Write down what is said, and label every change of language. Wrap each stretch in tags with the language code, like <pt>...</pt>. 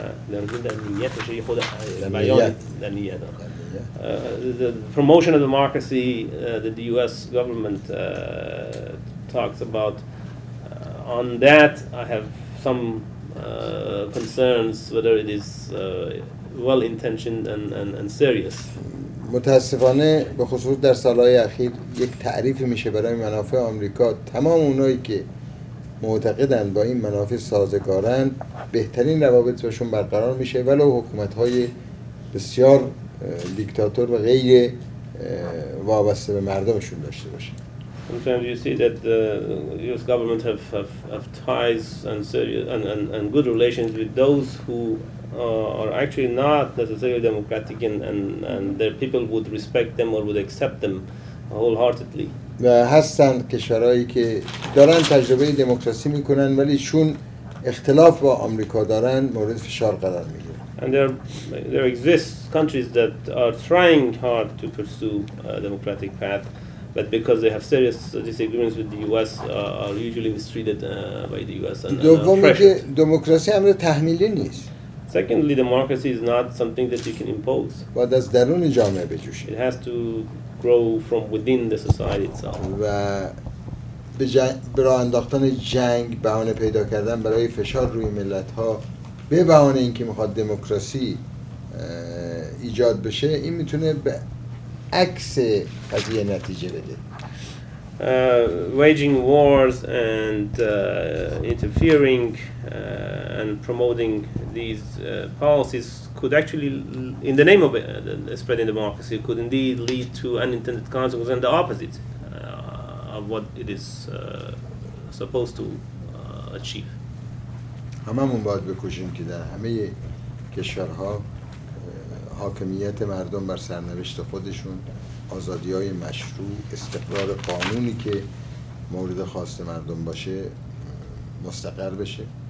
<en>The promotion of democracy that the US government talks about, on that I have some concerns whether it is well intentioned and serious.</en> <fa>متاسفانه به خصوص در سالهای اخیر یک تعریفی میشه برای منافع آمریکا، تمام اونایی که معتقدند با این منافع سازگارند بهترین روابط باشون برقرار میشه، ولو حکومت‌های بسیار دیکتاتور و غیر وابسته به مردمشون داشته باشه.</fa> <en>Sometimes you see that the US government have ties and serious and good relations with those who are actually not necessarily democratic and their people would respect them or would accept them wholeheartedly.</en> <fa>و هستند کشورهایی که دارن تجربه دموکراسی میکنن ولی چون اختلاف با آمریکا دارن مورد فشار قرار میگیرن.</fa> <en>And there exist countries that are trying hard to pursue a democratic path, but because they have serious disagreements with the US are usually mistreated by the US and pressured.</en> <fa>دموکراسی امر تحمیلی نیست.</fa> <en>Secondly, democracy is not something that you can impose.</en> <fa>باید از درون جامعه بجوشه.</fa> <en>It has to grow from within the society itself.</en> <fa>و به راه انداختن جنگ، بهانه پیدا کردن برای فشار روی ملت‌ها به بهانه اینکه می‌خواد دموکراسی ایجاد بشه، این میتونه به عکس قضیه نتیجه بده.</fa> <en>Waging wars and interfering and promoting these policies could actually, in the name of spreading democracy, could indeed lead to unintended consequences and the opposite of what it is supposed to achieve.</en> <fa>هممون باید بکوشیم که در همه کشورها حاکمیت مردم بر سرنوشت خودشون، آزادی‌های مشروع، استقرار قانونی که مورد خواست مردم باشه مستقر بشه.</fa>